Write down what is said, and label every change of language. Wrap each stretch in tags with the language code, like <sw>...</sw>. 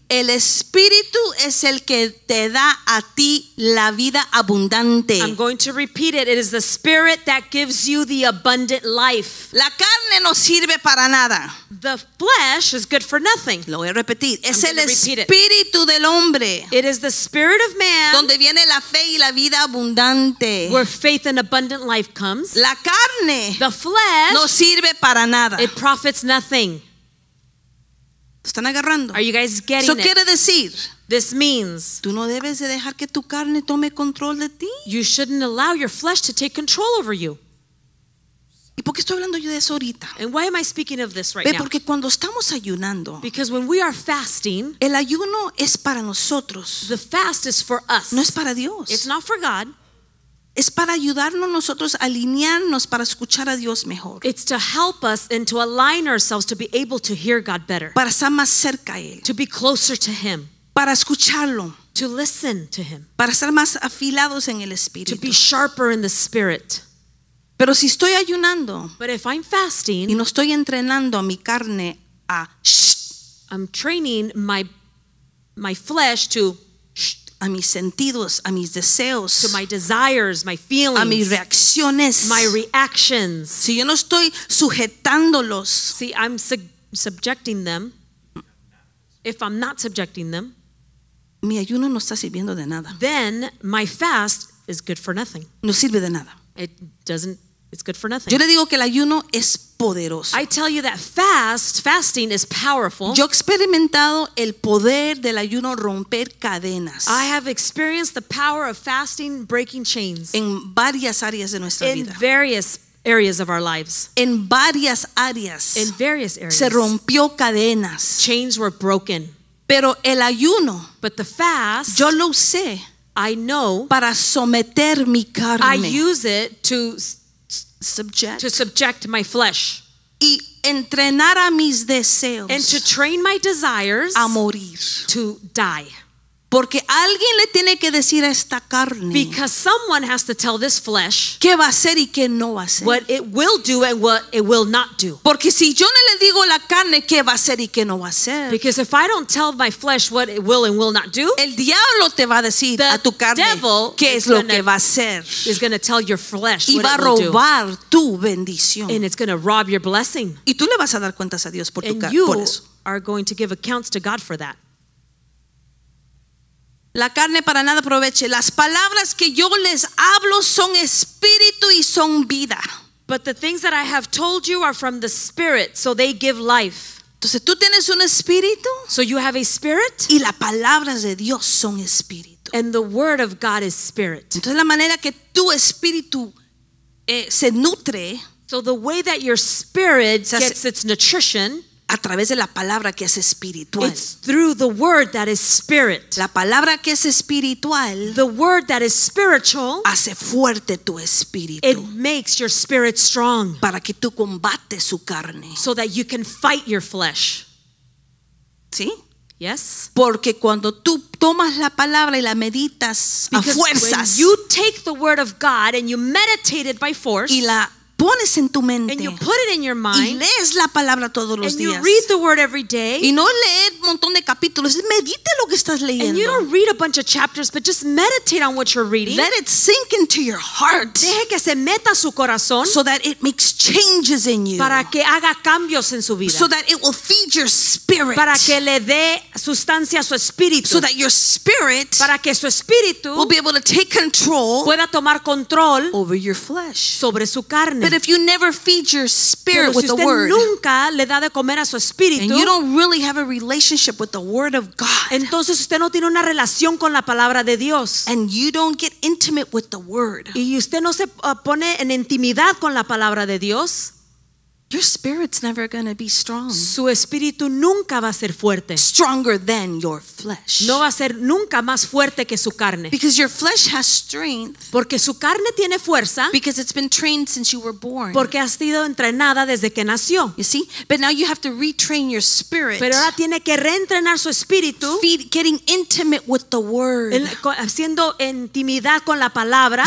<es>El espíritu es el que te da a ti la vida abundante.</es> <en>I'm going to repeat it. It is the spirit that gives you the abundant life.</en> <es>La carne no sirve para nada.</es> <en>The flesh is good for nothing.</en> <es>Lo voy a repetir. Es el espíritu del hombre.</es> <en>It is the spirit of man.</en> <es>Donde viene la fe y la vida abundante.</es> <en>Where faith and abundant life comes.</en> <es>La carne.</es> <en>The flesh.</en> <es>No sirve para nada.</es> <en>It profits nothing.</en> <es>Están agarrando.</es> <en>Are you guys getting</en> <es>eso</es> <en>it?</en> <es>Quiere decir,</es> <en>this means,</en> <es>tú no debes de dejar que tu carne tome control de ti.</es> <en>You shouldn't allow your flesh to take control over you.</en> <es>¿Y por qué estoy hablando yo de eso ahorita?</es> <en>And why am I speaking of this right</en> <es>Ve,</es> <en>now?</en> <es>Porque cuando estamos ayunando,</es> <en>because when we are fasting,</en> <es>el ayuno es para nosotros.</es> <en>The fast is for us.</en> <es>No es para Dios.</es> <en>It's not for God.</en> <es>Es para ayudarnos nosotros a alinearnos para escuchar a Dios mejor.</es> <en>It's to help us and to align ourselves to be able to hear God better.</en> <es>Para estar más cerca a Él.</es> <en>To be closer to Him.</en> <es>Para escucharlo.</es> <en>To listen to Him.</en> <es>Para estar más afilados en el Espíritu.</es> <en>To be sharper in the Spirit.</en> <es>Pero si estoy ayunando.</es> <en>But if I'm fasting.</en> <es>Y no estoy entrenando a mi carne a shh.</es> <en>I'm training my flesh to shh.</en> <es>A mis sentidos, a mis deseos.</es> <en>To my desires, my feelings.</en> <es>A mis reacciones.</es> <en>My reactions.</en> <es>Si yo no estoy sujetándolos.</es> <en>See, I'm subjecting them. If I'm not subjecting them.</en> <es>Mi ayuno no está sirviendo de nada.</es> <en>Then my fast is good for nothing.</en> <es>No sirve de nada.</es> <en>It doesn't, it's good for nothing.</en> <es>Yo le digo que el ayuno es poderoso.</es> <en>I tell you that fasting is powerful.</en> <es>Yo he experimentado el poder del ayuno romper cadenas.</es> <en>I have experienced the power of fasting breaking chains.</en> <es>En varias áreas de nuestra</es> <en>in</en> <es>vida.</es> <en>In various areas of our lives.</en> <es>En varias áreas.</es> <en>In various areas.</en> <es>Se rompió cadenas.</es> <en>Chains were broken.</en> <es>Pero el ayuno.</es> <en>But the fast.</en> <es>Yo lo usé.</es> <en>I know.</en> <es>Para someter mi carne.</es> <en>I use it to subject. To subject my flesh.</en> <es>Y entrenar a mis deseos.</es> <en>And to train my desires.</en> <es>A morir.</es> <en>To die.</en> <es>Porque alguien le tiene que decir a esta carne.</es> <en>Because someone has to tell this flesh.</en> <es>Qué va a hacer y qué no va a hacer.</es> <en>What it will do and what it will not do.</en> <es>Porque si yo no le digo a la carne qué va a hacer y qué no va a hacer.</es> <en>Because if I don't tell my flesh what it will and will not do.</en> <es>El diablo te va a decir a tu carne qué es lo que va a hacer.</es> <en>Is going to tell your flesh what it will do.</en> <es>Y va a robar tu bendición.</es> <en>And it's going to rob your blessing.</en> <es>Y tú le vas a dar cuentas a Dios por tu carne. Por eso.</es> <en>And you are going to give accounts to God for that.</en> <es>La carne para nada aproveche. Las palabras que yo les hablo son espíritu y son vida.</es> <en>But the things that I have told you are from the spirit, so they give life.</en> <es>Entonces tú tienes un espíritu.</es> <en>So you have a spirit.</en> <es>Y las palabras de Dios son espíritu.</es> <en>And the word of God is spirit.</en> <es>Entonces la manera que tu espíritu se nutre.</es> <en>So the way that your spirit gets its nutrition.</en> <es>A través de la palabra que es espiritual.</es> <en>It's through the word that is spirit.</en> <es>La palabra que es espiritual.</es> <en>The word that is spiritual.</en> <es>Hace fuerte tu espíritu.</es> <en>It makes your spirit strong.</en> <es>Para que tú combates su carne.</es> <en>So that you can fight your flesh.</en> <es>¿Sí?</es> <en>Yes.</en> <es>Porque cuando tú tomas la palabra y la meditas a fuerzas.</es> <en>When you take the word of God and you meditate it by force.</en> <es>Y la pones en tu mente</es> <en>and you put it in your mind,</en> <es>y lees la palabra todos los días</es> <en>and you read the word every day,</en> <es>y no lees un montón de capítulos, medite lo que estás leyendo</es> <en>and you don't read a bunch of chapters but just meditate on what you're reading, let it sink into your heart,</en> <es>deje que se meta su corazón,</es> <en>so that it makes changes in you,</en> <es>para que haga cambios en su vida,</es> <en>so that it will feed your spirit,</en> <es>para que le dé sustancia a su espíritu,</es> <en>so that your spirit,</en> <es>para que su espíritu,</es> <en>will be able to take control,</en> <es>pueda tomar control</es> <en>over your flesh,</en> <es>sobre su carne.</es> <en>But if you never feed your spirit with the word,</en> <es>nunca le da de comer a su espíritu,</es> <en>and you don't really have a relationship with the word of God,</en> <es>entonces usted no tiene una relación con la palabra de Dios,</es> <en>and you don't get intimate with the word,</en> <es>y usted no se pone en intimidad con la palabra de Dios,</es> <en>your spirit's never going to be strong.</en> <es>Su espíritu nunca va a ser fuerte.</es> <en>Stronger than your flesh.</en> <es>No va a ser nunca más fuerte que su carne.</es> <en>Because your flesh has strength.</en> <es>Porque su carne tiene fuerza.</es> <en>Because it's been trained since you were born.</en> <es>Porque ha sido entrenada desde que nació.</es> <en>You see? But now you have to retrain your spirit.</en> <es>Pero ahora tiene que reentrenar su espíritu.</es> <en>Getting intimate with the word.</en> <es>Haciendo intimidad con la palabra.</es>